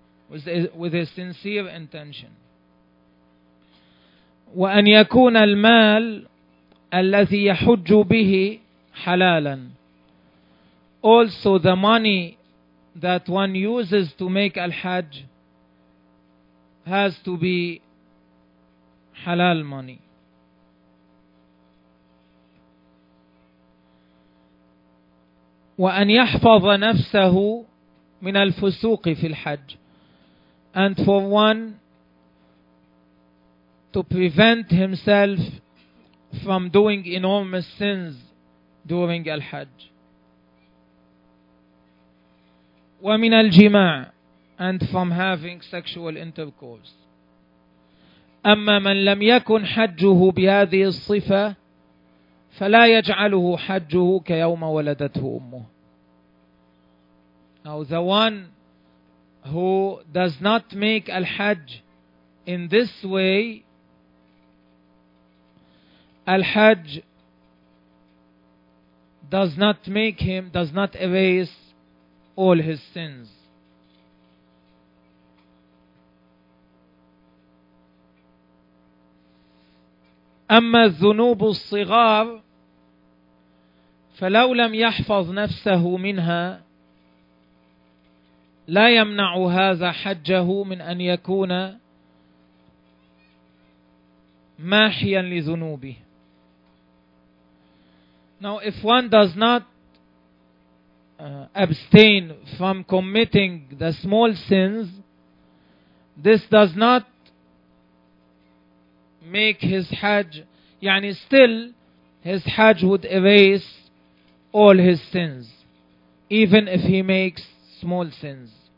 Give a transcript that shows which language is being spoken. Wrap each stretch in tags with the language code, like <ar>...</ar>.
<en>with a sincere intention.</en> <ar>وأن يكون المال الذي يحج به حلالا.</ar> <en>Also the money that one uses to make al-hajj has to be halal money.</en> <ar>وأن يحفظ نفسه من الفسوق في الحج.</ar> <en>And for one to prevent himself from doing enormous sins during al-hajj.</en> <ar>ومن الجماع.</ar> <en>And from having sexual intercourse.</en> <ar>أما من لم يكن حجه بهذه الصفة فلا يجعله حجه كيوم ولدته أمه.</ar> <en>Now the one who does not make al-hajj in this way, al-hajj does not make him, does not erase all his sins.</en> <ar>أما الذنوب الصغار فلو لم يحفظ نفسه منها لا يمنع هذا حجه من أن يكون ماحيا لذنوبه.</ar> <en>Now if one does not abstain from committing the small sins, this does not make his hajj, يعني still his hajj would erase all his sins, even if he makes small sins.</en>